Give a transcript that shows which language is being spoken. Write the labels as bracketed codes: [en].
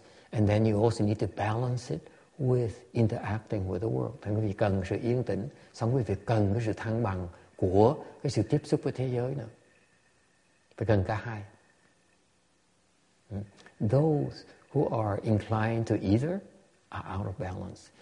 [en] And then you also need to balance it with interacting with the world. [vi] Thì quý vị cần sự yên tĩnh, xong quý vị cần cái sự thăng bằng của cái sự tiếp xúc với thế giới nữa. Phải cần cả hai. [en] Those who are inclined to either are out of balance.